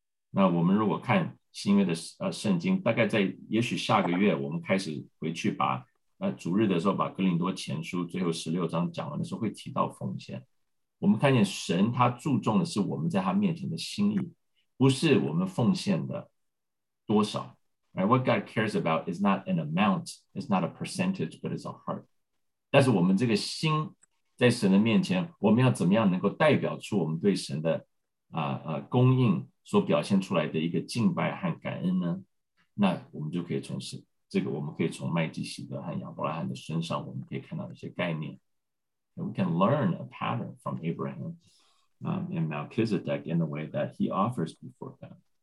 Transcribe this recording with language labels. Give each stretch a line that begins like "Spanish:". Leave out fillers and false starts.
Chinese: 那我们如果看新约的圣经，大概在也许下个月我们开始回去把主日的时候把哥林多前书最后16章讲完的时候会提到奉献。我们看见神他注重的是我们在他面前的心意，不是我们奉献的多少。
English: Right? What God cares about is not an amount, it's not a percentage, but it's a heart.
Chinese: 但是我们这个心在神的面前，我们要怎么样能够代表出我们对神的供应所表现出来的一个敬拜和感恩呢？那我们就可以从这个，我们可以从麦基洗德和亚伯拉罕的身上，我们可以看到一些概念。
English: We can learn a pattern from Abraham and Melchizedek in the way that he offers before God.